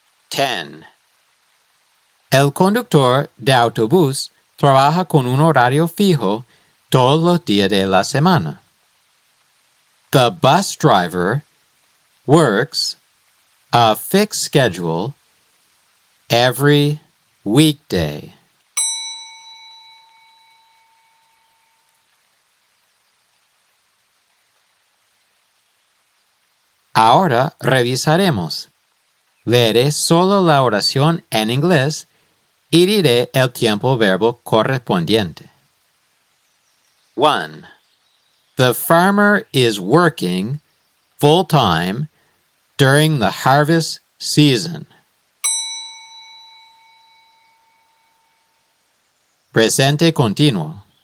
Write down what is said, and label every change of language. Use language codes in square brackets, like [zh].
[en] Ten. [es] El conductor de autobús trabaja con un horario fijo todos los días de la semana. [en] The bus driver works a fixed schedule every weekday. [es] 11. Ahora revisaremos. Leeré solo la oración en inglés y diré el tiempo verbo correspondiente. 1. [en] The farmer is working full time during the harvest season. [es] Presente continuo.